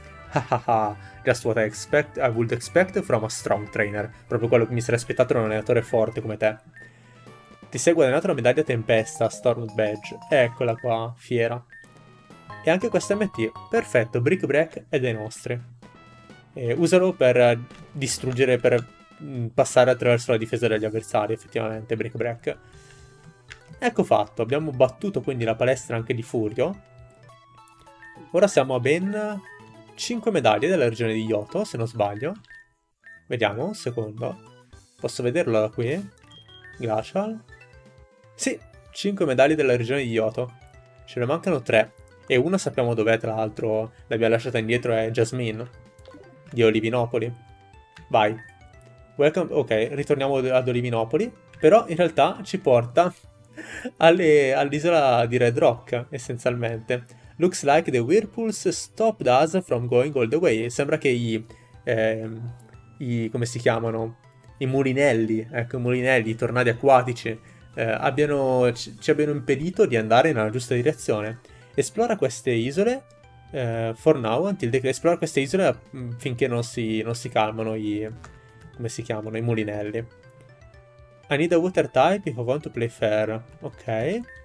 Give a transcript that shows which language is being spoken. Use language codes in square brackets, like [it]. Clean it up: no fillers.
[en] Ahaha, just what I would expect from a strong trainer. [it] Proprio quello che mi sarei aspettato da un allenatore forte come te. Ti sei guadagnato la medaglia Tempesta, Storm Badge. Eccola qua, fiera. E anche questo MT, perfetto, Brick Break è dei nostri. Usalo per distruggere, per passare attraverso la difesa degli avversari, effettivamente, Brick Break. Ecco fatto, abbiamo battuto quindi la palestra anche di Furio. Ora siamo a ben 5 medaglie della regione di Johto, se non sbaglio. Vediamo, un secondo. Posso vederlo da qui? Glacial. Sì, 5 medaglie della regione di Johto. Ce ne mancano 3. E una sappiamo dov'è, tra l'altro, l'abbiamo lasciata indietro, è Jasmine, di Olivinopoli. Vai. [en] Welcome. [it] Ok, ritorniamo ad Olivinopoli, però in realtà ci porta all'isola di Red Rock, essenzialmente. [en] Looks like the Whirlpools stopped us from going all the way. [it] Sembra che come si chiamano? I mulinelli, ecco, i mulinelli, i tornadi acquatici, ci abbiano impedito di andare nella giusta direzione. Esplora queste isole, [en] for now, [it] esplora queste isole finché non si calmano come si chiamano, i mulinelli. [en] I need a water type if I want to play fair. [it] Ok.